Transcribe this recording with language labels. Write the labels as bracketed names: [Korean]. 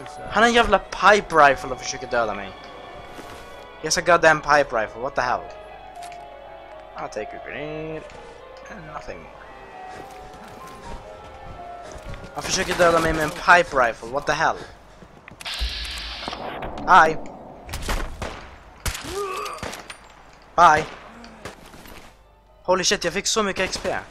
[Swedish] Han en jävla pipe rifle och försöker döda mig. [English] Yes, a goddamn pipe rifle, what the hell? I'll take a grenade and nothing. [Swedish] I'll försöka döda mig med en pipe rifle, [English] what the hell? Bye! [Swedish] Bye! [English] Holy shit, [Swedish] jag fick så mycket XP!